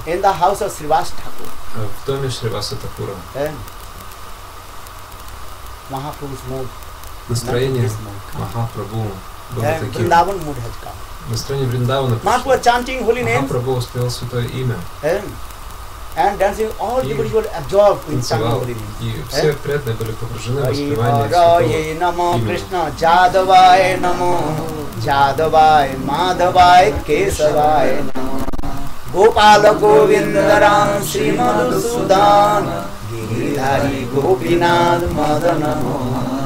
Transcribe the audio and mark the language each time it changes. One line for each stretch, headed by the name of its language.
English: in the house of Srivasa Thakur.
Russian: В доме Шриваса Такура. Махапрабху смог. Настроение Махапрабху было таким. Настроение Вриндавана пришло. Махапрабху успел святое имя.
English: And dancing, all the people were absorbed in chanting holy names.
Russian: И все преданные были погружены в воспевание святого имени.
Sanskrit: Кришна, Джадавай намо, Джадавай, Мадавай, Кесавай намо, Гопала Говиндарам, Шри Мадхусудан, Гиридхари Гопинад Мадана намо.